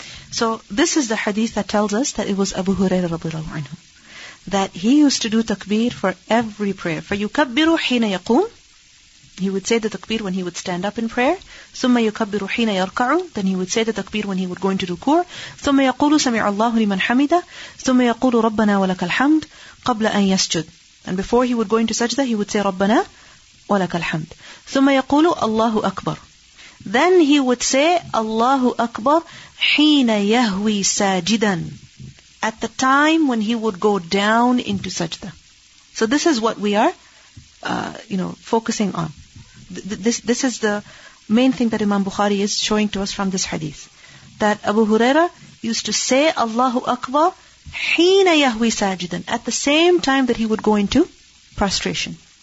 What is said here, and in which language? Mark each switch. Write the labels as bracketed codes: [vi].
[en] So this is the hadith that tells us that it was Abu Hurairah radiallahu anhu that he used to do takbir for every prayer. [ar] فَيُكَبِّرُ حِينَ يَقُومُ, [en] he would say the takbir when he would stand up in prayer. [ar] ثُمَّ يُكَبِّرُ حِينَ يَرْكَعُ, [en] then he would say the takbir when he would go into rukur. [ar] ثُمَّ يَقُولُ سَمِعَ اللَّهُ لِمَنْ حَمِدَ, ثُمَّ يَقُولُ رَبَّنَا وَلَكَ الْحَمْدُ قَبْلَ أَنْ يَسْجُدُ, [en] and before he would go into sajda, he would say [ar] رَبَّنَا وَلَكَ الْحَمْدُ. ثُمَّ يَقُولُ اللَّهُ أَكْبَرُ, [en] then he would say [ar] اللَّهُ أَكْبَرُ حِينَ يَهْوِي سَاجِدًا, [en] at the time when he would go down into sajda. So this is what we are focusing on. This is the main thing that Imam Bukhari is showing to us from this hadith, that Abu Huraira used to say Allahu Akbar [ar] حِينَ يَهْوِي سَاجِدًا, [en] at the same time that he would go into prostration.